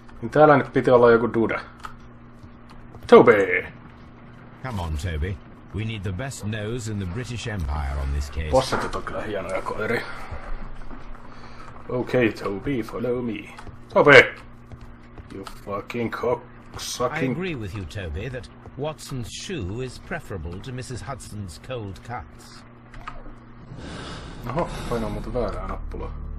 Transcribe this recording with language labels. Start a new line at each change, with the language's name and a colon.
Finnish: Täällä nyt piti olla joku dude.
English: Toby! Come on, Toby. We need the best nose in the British Empire on this case.
Finnish: Possetit on kyllä hienoja koiri.
English: Okay, Toby, follow me. Toby! You fucking cocksucking... I agree with you, Toby, that Watson's shoe is preferable to Mrs. Hudson's cold cuts.
Finnish: Oho, painaa muuta väärää nappulaa.